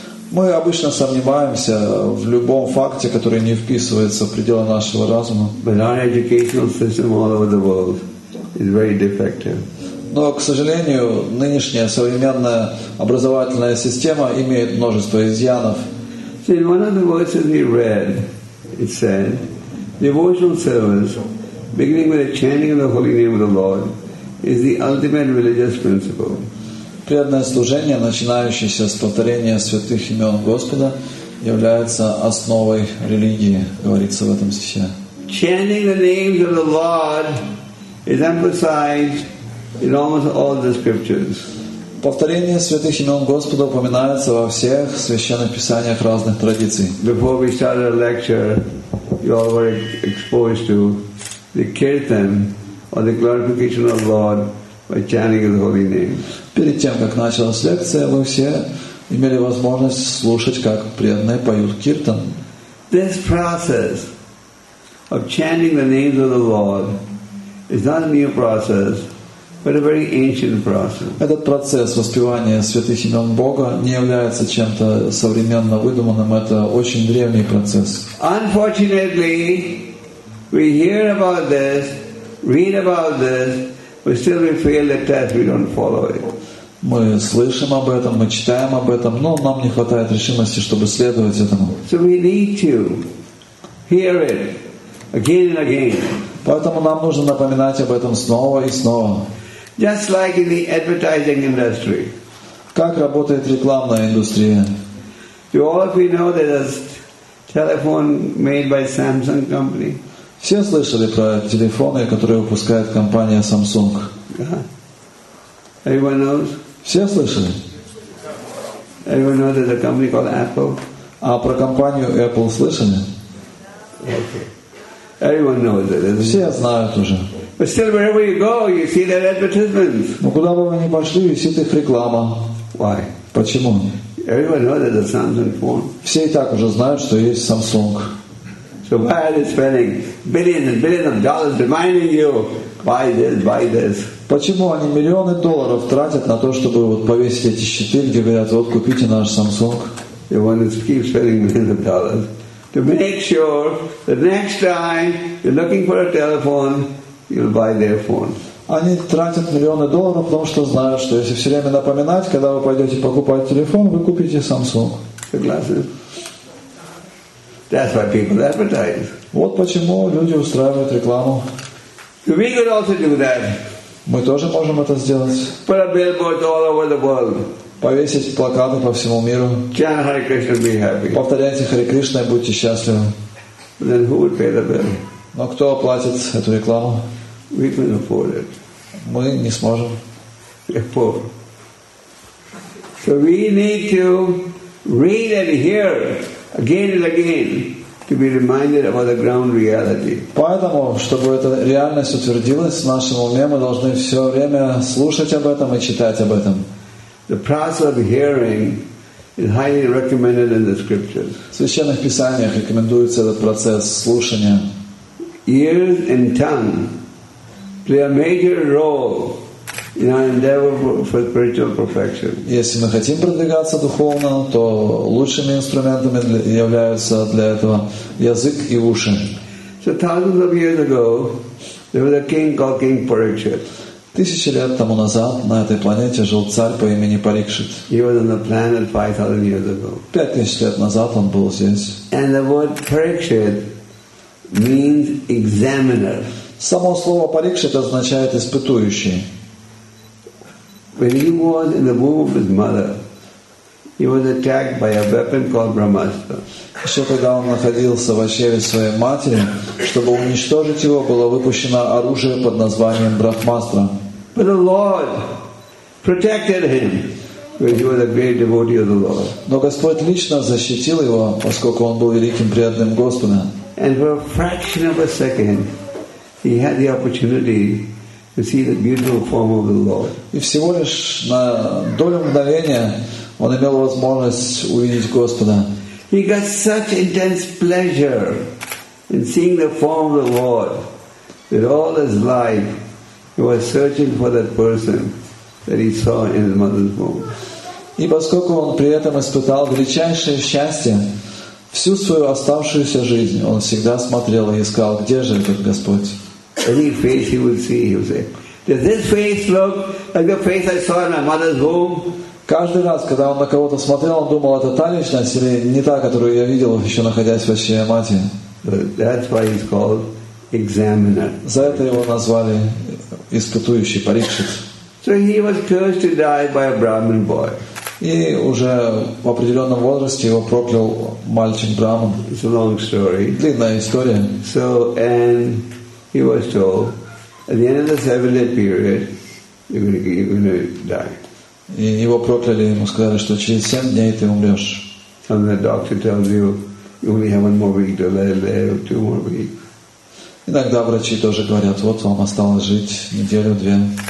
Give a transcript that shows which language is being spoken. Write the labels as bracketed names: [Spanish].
[Russian] Мы обычно сомневаемся в любом факте, который не вписывается в пределы нашего разума. [English] But our educational system all over the world is very defective. [Russian] Но, к сожалению, нынешняя современная образовательная система имеет множество изъянов. [English] So in one of the verses we read, it said, devotional service, beginning with the chanting of the holy name of the Lord, is the ultimate religious principle. [Russian] Преданное служение, начинающееся с повторения святых имен Господа, является основой религии, говорится в этом стихе. [English] Chanting the names of the Lord is emphasized in almost all the scriptures. [Russian] Повторение святых имен Господа упоминается во всех священных писаниях разных традиций. [English] Before we start the lecture, you all were exposed to the kirtan or the glorification of the Lord by chanting His holy names. [Russian] Перед тем, как началась лекция, вы все имели возможность слушать, как преданные поют киртан. [English] This process of chanting the names of the Lord is not a new process, but a very ancient process. [Russian] Этот процесс воспевания святых имен Бога не является чем-то современно выдуманным. Это очень древний процесс. [English] Unfortunately, we hear about this, read about this, but still we fail the test. We don't follow it. [Russian] Мы слышим об этом, мы читаем об этом, но нам не хватает решимости, чтобы следовать этому. [English] So we need to hear it again and again. [Russian] Поэтому нам нужно напоминать об этом снова и снова. [English] Just like in the advertising industry. [Russian] Как работает рекламная индустрия? [English] Do all of you know that a telephone made by Samsung company? [Russian] Все слышали про телефоны, которые выпускает компания Samsung? [English] Everyone knows? [Russian] Все слышали? [English] Everyone knows there's a company called Apple? [Russian] А про компанию Apple слышали? [English] Okay. Everyone knows it, isn't [Russian] Все знают уже. [English] But still, wherever you go, you see their advertisements. [Russian] Но куда бы вы ни пошли, висит их реклама. [English] Why? [Russian] Почему? [English] Everyone knows there's a Samsung phone. [Russian] Все и так уже знают, что есть Samsung. [English] So why are they spending billions and billions of dollars reminding you, buy this, buy this? [Russian] Почему они миллионы долларов тратят на то, чтобы вот повесить эти щиты, где говорят, вот купите наш Samsung? [English] They want to keep spending millions of dollars to make sure that next time you're looking for a telephone, you'll buy their phone. [Russian] Они тратят миллионы долларов, потому что знают, что если все время напоминать, когда вы пойдете покупать телефон, вы купите Samsung. Согласен? [English] That's why people advertise. [Russian] Вот почему люди устраивают рекламу. [English] We could also do that. [Russian] Мы тоже можем это сделать. [English] Put a billboard all over the world. [Russian] Повесить плакаты по всему миру. [English] Chant Hare Krishna, be happy. [Russian] Повторяйте Hare Krishna и будьте счастливы. [English] Then who would pay the bill? [Russian] Но кто оплатит эту рекламу? [English] We can't afford it. Мы не сможем. We're poor. So we need to read and hear again and again to be reminded about the ground reality. [Russian] Поэтому, чтобы эта реальность утвердилась в нашем уме, мы должны все время слушать об этом и читать об этом. [English] The process of hearing is highly recommended in the scriptures. [Russian] В священных писаниях рекомендуется этот процесс слушания. [English] Ears and tongue play a major role in our endeavor for spiritual perfection. [Russian] Если мы хотим продвигаться духовно, то лучшими инструментами являются для этого язык и уши. [English] So thousands of years ago, there was a king called King Parikshit. [Russian] Тысячи лет тому назад на этой планете жил царь по имени Парикшит. [English] He was on the planet 5,000 years ago. [Russian] 5,000 лет назад он был здесь. [English] And the word Parikshit means examiner. [Russian] Само слово Парикшит означает испытующий. [English] When he was in the womb of his mother, he was attacked by a weapon called Brahmastra. [Russian] Еще когда он находился в чреве своей матери, чтобы уничтожить его, было выпущено оружие под названием Брахмастра. [English] But the Lord protected him, because he was a great devotee of the Lord. [Russian] Но Господь лично защитил его, поскольку он был великим преданным Господа. [English] And for a fraction of a second, he had the opportunity to see the beautiful form of the Lord. [Russian] И всего лишь на долю мгновения он имел возможность увидеть Господа. [English] He got such intense pleasure in seeing the form of the Lord that all his life he was searching for that person that he saw in his mother's womb. [Russian] И поскольку он при этом испытал величайшее счастье, всю свою оставшуюся жизнь он всегда смотрел и искал, где же этот Господь. [English] Any face he would see, he would say, "Does this face look like the face I saw in my mother's womb?" [Russian] Каждый раз, когда он на кого-то смотрел, он думал, это та личность или не та, которую я видел еще находясь в чреве матери. [English] That's why he's called examiner. [Russian] За это его назвали испытующий Парикшит. [English] So he was cursed to die by a Brahmin boy. [Russian] И уже в определенном возрасте его проклял мальчик Брахман. [English] It's a long story. [Russian] Длинная история. [English] So and he was told, at the end of the 7-day period, you're gonna die. [Russian] И его прокляли, ему сказали, что через 7 дней ты умрешь. [English] And the doctor tells you, you only have one more week to live, two more weeks. [Russian] Иногда врачи тоже говорят, вот вам осталось жить неделю-две.